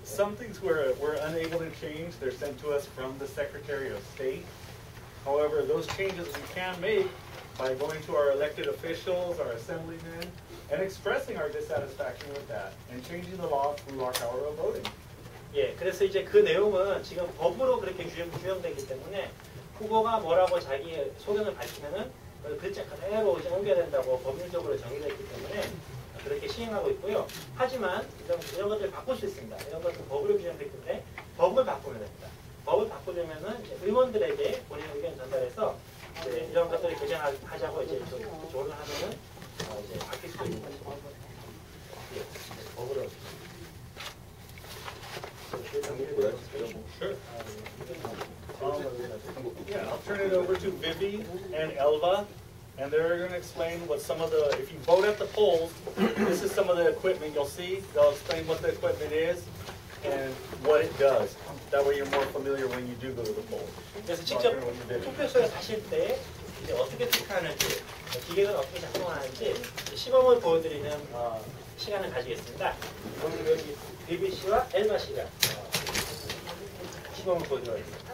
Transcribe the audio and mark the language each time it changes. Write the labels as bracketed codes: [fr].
[en] Some things we're unable to change. They're sent to us from the Secretary of State. However, those changes we can make by going to our elected officials, our assemblymen, and expressing our dissatisfaction with that, and changing the law through our power of voting. [ko] 예, 그래서 이제 그 내용은 지금 법으로 그렇게 규정되기 때문에 후보가 뭐라고 자기 소견을 밝히면은 글자 그대로 이제 옮겨야 된다고 법률적으로 정의됐기 때문에 그렇게 시행하고 있고요. 하지만 이런 것들 바꿀 수 있습니다. 이런 것은 법으로 규정되기 때문에 법을 바꾸면 됩니다. 법을 바꾸려면은 의원들에게 본인 의견 전달해서 이제 이런 것들을 개정하자고 이제 조언을 하면은 이제 바뀔 수도 있는 거죠. 예, 법으로. [en] Yeah, I'll turn it over to Vivi and Elva, and they're going to explain what some of the, if you vote at the polls, this is some of the equipment you'll see. They'll explain what the equipment is and what it does. That way you're more familiar when you do go to the polls. [ko] 그래서 직접 투표소에 가실 때 이제 어떻게 투표하는지, 기계가 어떻게 작동하는지 시범을 보여드리는 시간을 가지겠습니다. 오늘 여기 비비 씨와 엘마 씨가 시범을 보여드리겠습니다.